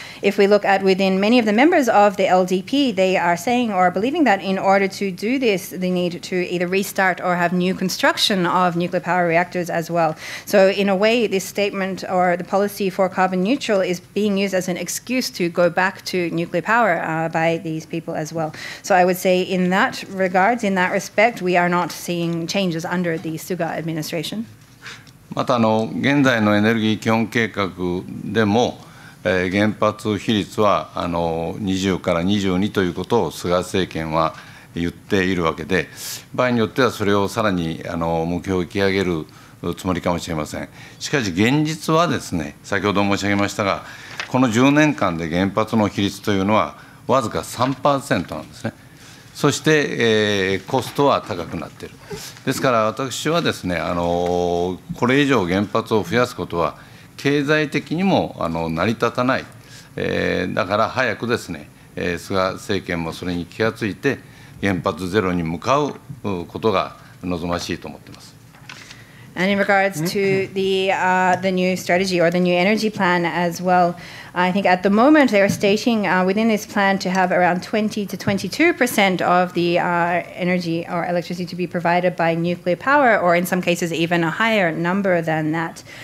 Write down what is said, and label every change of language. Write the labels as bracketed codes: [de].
[en] If we look at within many of the members of the LDP, they are saying or believing that in order to do this they need to either restart or have new construction of nuclear power reactors as well. So in a way, this statement or the policy for carbon neutral is being used as an excuse to go back to nuclear power by these people as well. So I would say in that regards, in that respect, we are not seeing changes under the Suga administration. [ja] また現在のエネルギー基本計画でも、原発比率は20から22ということを菅政権は言っているわけで、場合によってはそれをさらに目標を引き上げるつもりかもしれません。しかし現実はですね、先ほど申し上げましたが、この10年間で原発の比率というのはわずか 3% なんですね。そして、コストは高くなっている。ですから私はですね、これ以上原発を増やすことは経済的にも成り立たない、だから早くですね、菅政権もそれに気がついて原発ゼロに向かうことが望ましいと思っています。 [en] And in regards to the new strategy or the new energy plan as well, I think at the moment they are stating within this plan to have around 20 to 22% of the energy or electricity to be provided by nuclear power, or in some cases even a higher number than that.